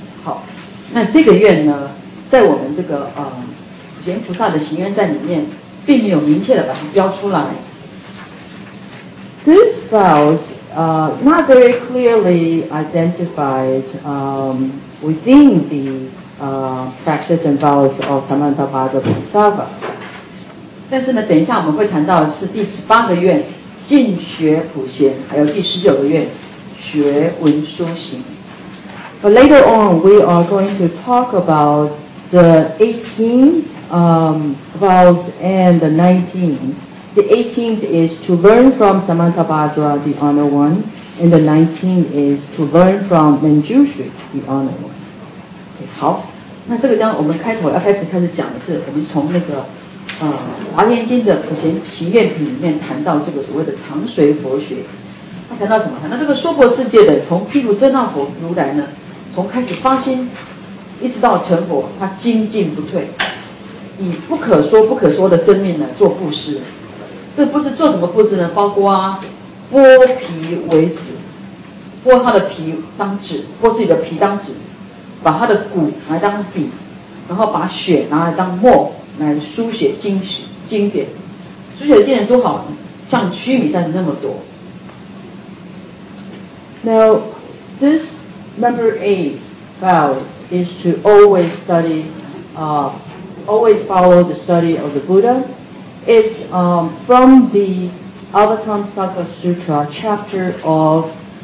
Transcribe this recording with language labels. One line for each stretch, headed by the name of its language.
Chinese: 好，那这个愿呢，在我们这个普贤菩萨的行愿在里面，并没有明确的把它标出来。
English: This vows not very clearly identified within the practice and vows of Samantabhadra Bodhisattva.
Chinese: 但是呢，等一下我们会谈到的是第十八个愿，进学普贤，还有第十九个愿，学文殊行。
English: But later on, we are going to talk about the 18 vows and the 19. The 18th is to learn from Samantabhadra, the Honor One, and the 19th is to learn from Manjushri, the Honor One.
Chinese: Okay, 好。那这个将我们开头要开始讲的是我们从那个华严经的普贤行愿品里面谈到这个所谓的长随佛学，他谈到什么？谈到这个娑婆世界的从譬如真那佛如来呢，从开始发心一直到成佛，他精进不退，以不可说不可说的生命呢做布施。这布施做什么布施呢？包括剥皮为纸，剥他的皮当纸，剥自己的皮当纸，把他的骨来当笔，然后把血拿来当墨来书写经典，书写的经典多好，像须弥山那么多。
English: Now, this number 8 vows is to always study, always follow the study of the Buddha. It's from the Avatamsaka Sutra chapter of.